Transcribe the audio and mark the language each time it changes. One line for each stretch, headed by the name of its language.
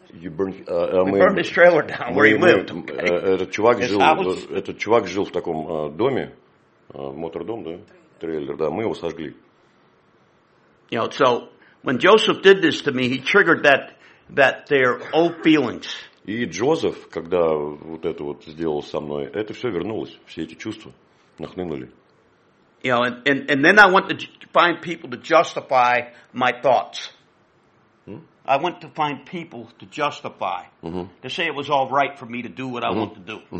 English: burned his trailer down where he lived.
Russian: Этот чувак жил в таком доме, мотордом, да, трейлер, да, мы его сожгли.
English: You know, so when Joseph did this to me, he triggered that their old feelings.
Russian: И Джозеф, когда вот это вот сделал со мной, это все вернулось, все эти чувства нахлынули.
English: You know, and then I went to find people to justify my thoughts. Hmm? I went to find people to justify, to say it was all right for me to do what I want to do.